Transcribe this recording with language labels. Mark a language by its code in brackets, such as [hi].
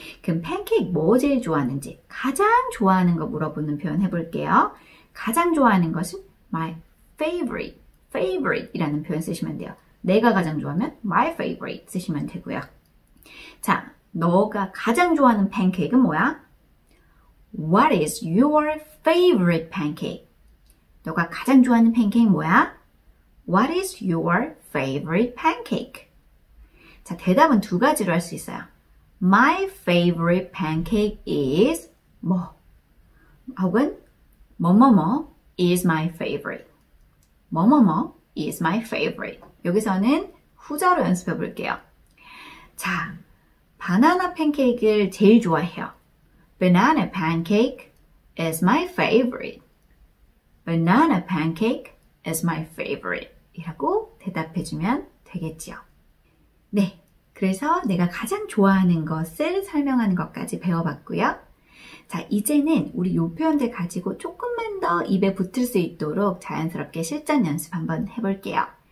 [ko] 그럼 팬케이크 뭐 제일 좋아하는지 가장 좋아하는 거 물어보는 표현 해볼게요. 가장 좋아하는 것은 [en] my favorite, favorite [ko] 이라는 표현 쓰시면 돼요. 내가 가장 좋아하면 [en] my favorite [ko] 쓰시면 되고요. 자, 너가 가장 좋아하는 팬케이크는 뭐야? [en] What is your favorite pancake? [ko] 너가 가장 좋아하는 팬케이크는 뭐야? [en] What is your favorite pancake? [ko] 자, 대답은 두 가지로 할 수 있어요. [en] My favorite pancake is [ko] 뭐? 혹은 뭐뭐뭐 [en] is my favorite. [ko] 뭐뭐뭐 [en] is my favorite. [ko] 여기서는 후자로 연습해 볼게요. 자, 바나나 팬케이크를 제일 좋아해요. [en] Banana pancake is my favorite. Banana pancake is my favorite. [ko] 라고 대답해 주면 되겠죠. 네, 그래서 내가 가장 좋아하는 것을 설명하는 것까지 배워봤고요. 자, 이제는 우리 요 표현들 가지고 조금만 더 입에 붙을 수 있도록 자연스럽게 실전 연습 한번 해볼게요.